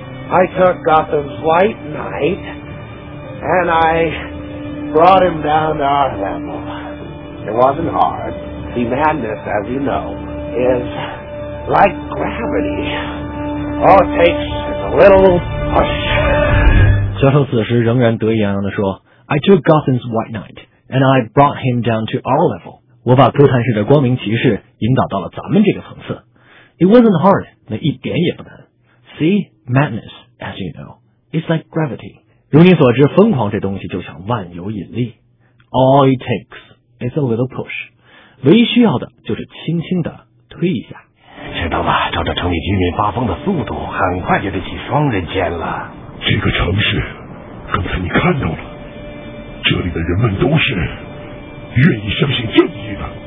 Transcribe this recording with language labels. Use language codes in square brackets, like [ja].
[en] I took Gotham's White Knight, and I brought him down to our level. It wasn't hard. The madness, as you know, is like gravity. All it takes is a little push. [zh] 小丑此时仍然得意洋洋地说 [en] I took Gotham's White Knight, and I brought him down to our level. [zh] 我把哥谭市的光明骑士引导到了咱们这个层次。 [en] It wasn't hard, [zh] 那一点也不难。 [en] See, madness, as you know, is like gravity. [zh] 如你所知，疯狂这东西就像万有引力。 [en] All it takes is a little push. [zh] 唯一需要的就是轻轻地推一下。知道吧，照着城里居民发疯的速度，很快就得起双人间了。这个城市，刚才你看到了，这里的人们都是愿意相信正义的。